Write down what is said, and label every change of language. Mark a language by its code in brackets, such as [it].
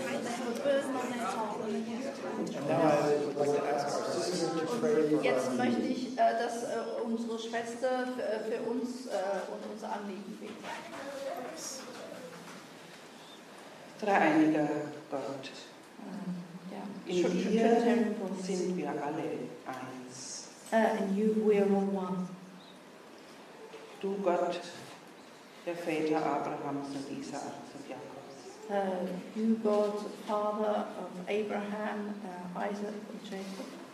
[en] Now I would like to ask our sister to pray for us. [de] Jetzt möchte ich, dass unsere Schwester für uns und unser Anliegen betet. Dreieiniger Gott, in dir sind wir alle eins. [en] And you, we are all one. [de] Du Gott, der Väter Abrahams und Isaaks und Jakobs. [en] You God, the Father of Abraham, Isaac and Jacob.